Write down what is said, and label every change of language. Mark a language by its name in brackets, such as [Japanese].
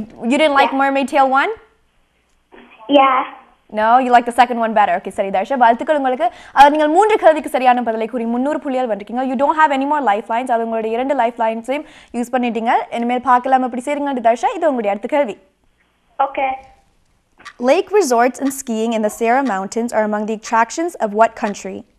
[English] You didn't like Mermaid Tale 1? Yeah. No, you like the second one better. Okay, sorry, Darsha. [Tamil] வாழ்த்துக்கள் உங்களுக்கு. அது நீங்கள் மூன்று கேள்விக்கு சரியான பதிலை கூறி 300 புள்ளிகள் வந்திருக்கீங்க. [English] You don't have any more life lines. [Tamil] அது உங்களுடைய இரண்டு லைஃப் லைன்ஸையும் யூஸ் பண்ணிட்டீங்க. இனிமேல் பார்க்கலாம், எப்படி செய்யுங்க தர்ஷா. இது உங்களுடைய அடுத்த கேள்வி. [English] Okay. Lake resorts and skiing in the Sierra Mountains are among the attractions of what country?